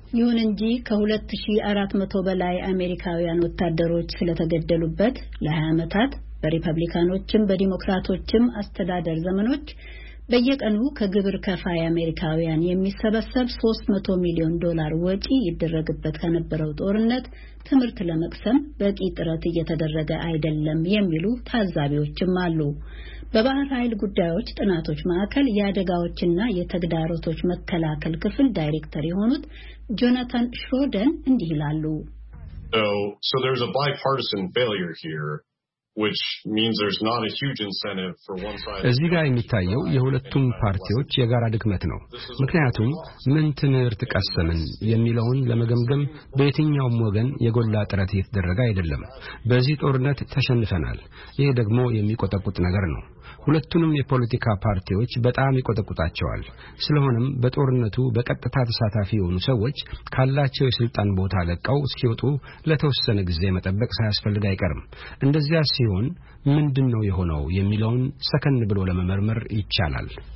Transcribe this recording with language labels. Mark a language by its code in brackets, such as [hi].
[am] ይሁን እንጂ ከ2400 በላይ አሜሪካውያን ወታደሮች ስለተገደሉበት ለ20 አመታት በሪፐብሊካኖችም በዲሞክራቶችም አስተዳደር ዘመኖች በየቀኑ ከግብር ከፋይ አሜሪካውያን የሚሰበሰብ 300 ሚሊዮን ዶላር ወጪ ይደረግበት ከነበረው ጦርነት ትምህርት ለመቅሰም በቂ ጥረት እየተደረገ አይደለም የሚሉ ታዛቢዎችም አሉ። በባህር ኃይል ጉዳዮች ጥናቶች ማዕከል የአደጋዎችና የተግዳሮቶች መከላከል ክፍል ዳይሬክተር የሆኑት ጆናታን ሽሮደን እንዲህ ይላሉ። [en] So there's a bipartisan failure here. Which means there's not a huge incentive for one side. [am] እዚህ ጋር የሚታየው የሁለቱም ፓርቲዎች የጋራ ድክመት ነው። ምክንያቱም ምን ትምህርት ቀሰምን የሚለውን ለመገምገም በየትኛውም ወገን የጎላ ጥረት የተደረገ አይደለም። በዚህ ጦርነት ተሸንፈናል። ይሄ ደግሞ የሚቆጠቁት ነገር ነው። ሁለቱንም የፖለቲካ ፓርቲዎች በጣም ይቆጠቁጣቸዋል። ስለሆነም በጦርነቱ በቀጥታ ተሳታፊ የሆኑ ሰዎች ካላቸው የስልጣን ቦታ ለቀው ሲወጡ ለተወሰነ ጊዜ መጠበቅ ሳያስፈልግ አይቀርም። እንደዚያ ሲሆን ምንድነው የሆነው የሚለውን ሰከን ብሎ ለመመርመር ይቻላል።